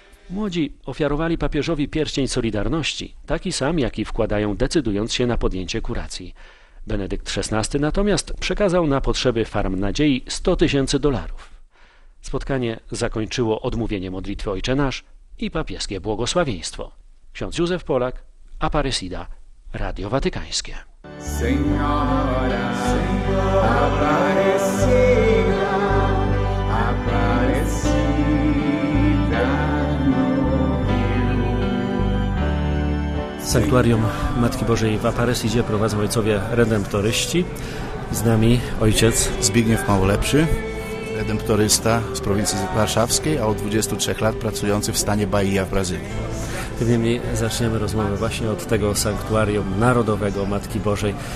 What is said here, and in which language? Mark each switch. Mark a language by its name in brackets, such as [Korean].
[Polish] Młodzi ofiarowali papieżowi pierścień solidarności, taki sam, jaki wkładają, decydując się na podjęcie kuracji. Benedykt XVI natomiast przekazał na potrzeby Farm Nadziei 100 tysięcy dolarów. Spotkanie zakończyło odmówienie modlitwy Ojcze Nasz i papieskie błogosławieństwo. Ksiądz Józef Polak, Aparecida, Radio Watykańskie. [Portuguese] Senhora, Senhora, Aparecida, Aparecida no Rio. [Polish] Sanktuarium Matki Bożej w Aparecidzie prowadzą ojcowie redemptoryści. Z nami ojciec Zbigniew Małolepszy, redemptorysta z prowincji warszawskiej, a od 23 lat pracujący w stanie Bahia w Brazylii. Tym niemniej zaczniemy rozmowę właśnie od tego sanktuarium narodowego Matki Bożej.